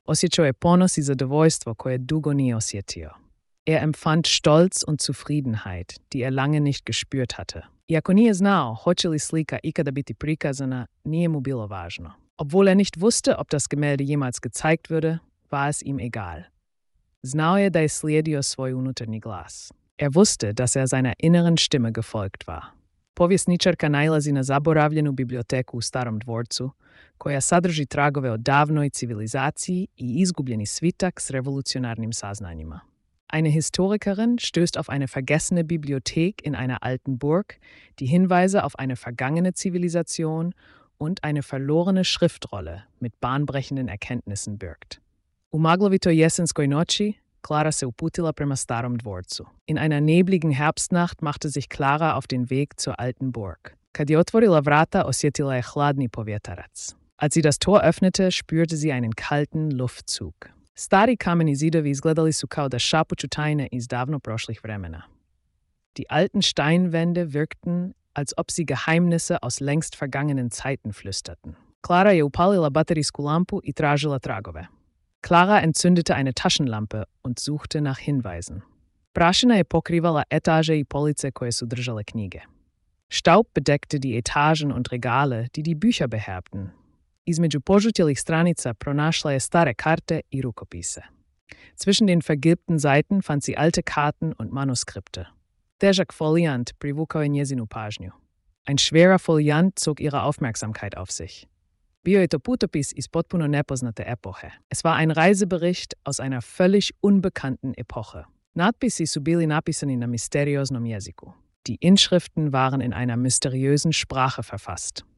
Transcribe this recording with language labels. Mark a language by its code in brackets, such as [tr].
[hr] Osjećao je ponos i zadovoljstvo koje dugo nije osjetio. [de] Er empfand Stolz und Zufriedenheit, die er lange nicht gespürt hatte. [hr] Iako nije znao, hoće li slika ikada biti prikazana, nije mu bilo važno. [de] Obwohl er nicht wusste, ob das Gemälde jemals gezeigt würde, war es ihm egal. [hr] Znao je da je slijedio svoj unutarnji glas. [de] Er wusste, dass er seiner inneren Stimme gefolgt war. [hr] Povjesničarka nailazi na zaboravljenu biblioteku u starom dvorcu, koja sadrži tragove o davnoj civilizaciji i izgubljeni svitak s revolucionarnim saznanjima. [de] Eine Historikerin stößt auf eine vergessene Bibliothek in einer alten Burg, die Hinweise auf eine vergangene Zivilisation und eine verlorene Schriftrolle mit bahnbrechenden Erkenntnissen birgt. [hr] U maglovitoj jesenskoj noći, Clara se uputila prema starom dvorcu. [de] In einer nebligen Herbstnacht machte sich Clara auf den Weg zur alten Burg. [hr] Kad je otvorila vrata, osjetila je hladni povjetarac. [de] Als sie das Tor öffnete, spürte sie einen kalten Luftzug. [hr] Stari kameni zidovi izgledali su kao da šapuću tajne iz davno prošlih vremena. [de] Die alten Steinwände wirkten, als ob sie Geheimnisse aus längst vergangenen Zeiten flüsterten. [hr] Clara je upalila baterijsku lampu i tražila tragove. [de] Klara entzündete eine Taschenlampe und suchte nach Hinweisen. [hr] Prašina je pokrivala etaže i police koje su držale knjige. [de] Staub bedeckte die Etagen und Regale, die die Bücher beherbten. [hr] Između požutjelih stranica pronašla je stare karte i rukopise. [de] Zwischen den vergilbten Seiten fand sie alte Karten und Manuskripte. [hr] Težak folijant privukao je njezinu pažnju. [de] Ein schwerer Foliant zog ihre Aufmerksamkeit auf sich. [hr] Bio je to putopis iz potpuno nepoznate epohe. [de] Es war ein Reisebericht aus einer völlig unbekannten Epoche. [hr] Natpisi su bili napisani na misterioznom jeziku. [de] Die Inschriften waren in einer mysteriösen Sprache verfasst.